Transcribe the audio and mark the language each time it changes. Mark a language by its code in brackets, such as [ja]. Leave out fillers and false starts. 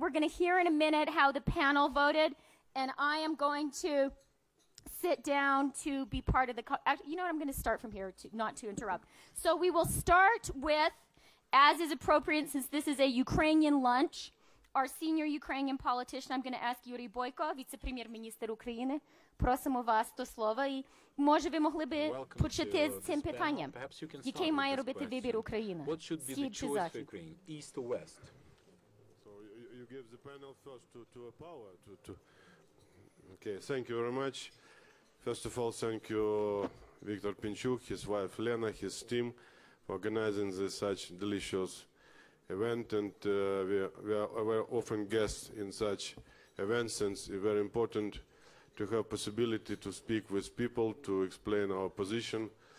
[en] We're gonna hear in a minute how the panel voted, and I am going to sit down to be part of the, actually, you know what, I'm gonna start from here, not to interrupt. So we will start with, as is appropriate, since this is a Ukrainian lunch, our senior Ukrainian politician. I'm going to ask Yuri Boyko, [uk] віце-прем'єр-міністр України. Просимо вас до слова. І може ви могли би почати з цим питанням, яке має робити вибір Україна? [en] What should be the choice for Ukraine, east or west? So you give the panel first to a power to. Okay, thank you very much. First of all, thank you Viktor Pinchuk, his wife Lena, his team for organizing this such delicious event, and we are often guests in such events, since it's very important to have possibility to speak with people, to explain our position.